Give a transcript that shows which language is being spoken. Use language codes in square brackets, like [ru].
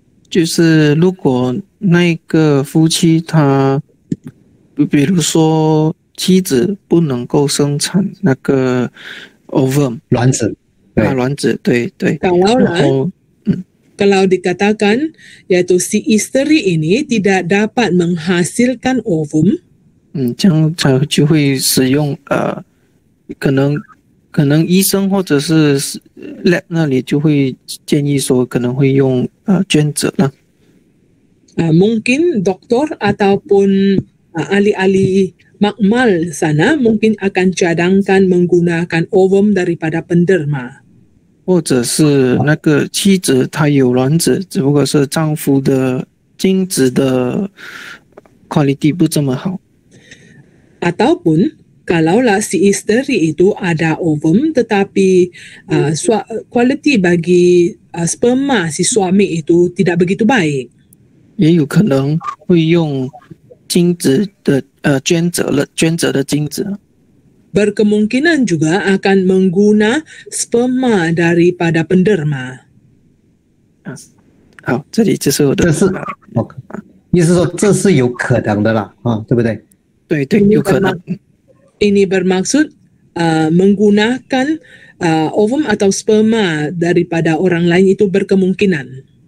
[zh] 就是如果那个夫妻他，比如说妻子不能够生产那个 ovum 卵子，啊，卵子，对对。 [ms] Kalau dikatakan yaitu si isteri ini tidak dapat menghasilkan ovum， [zh] 这样才就会使用可能医生或者是 lab 那里就会建议说可能会用捐者了。 [ms] Mungkin doktor ataupun ahli-ahli makmal sana mungkin akan cadangkan menggunakan ovum daripada penderma。 [zh] 或者是那个妻子她有卵子，只不过是丈夫的精子的 quality 不这么好。 [ms] Ataupun kalaulah si isteri itu ada ovum tetapi kualiti bagi sperma si suami itu tidak begitu baik. [zh] 也有可能会用精子的捐者的精子。 [ms] Berkemungkinan juga akan menggunakan sperma daripada penderma. [zh] 好，这里就是我的。这是 OK， 意思说这是有可能的啦，啊，对不对？对对，有可能。 [ms] Ini bermaksud menggunakan ovum atau sperma daripada orang lain itu berkemungkinan.